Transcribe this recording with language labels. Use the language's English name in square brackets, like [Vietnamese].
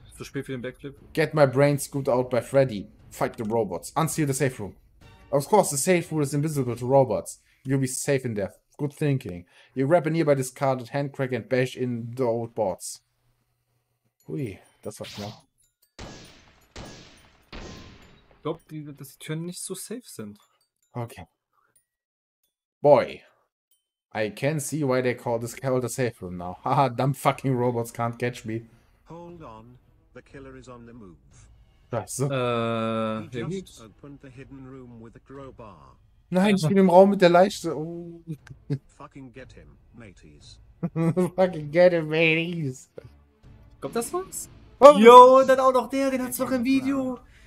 [German] Zu spät für den Backflip. [English] Get my brain scooped out by Freddy. Fight the robots. Unseal the safe room. Of course, the safe room is invisible to robots. You'll be safe in there. Good thinking. You grab a nearby discarded hand crank and bash in the old boards. [German] Hui, das war schnell. Ich glaube, dass die Türen nicht so safe sind. [English] Okay. Boy. I can see why they call this hell the safe room now. Haha, dumb fucking robots can't catch me. Hold on, the killer is on the move. [German] Scheiße. [English] He just opened the hidden room with a crowbar. [German] Nein, ich bin im Raum mit der Leiste. Oh. [English] Fucking get him, mateys. Fucking get him, mateys. [German] Kommt das was? Oh. Yo, und dann auch noch der, den hat's noch im Video.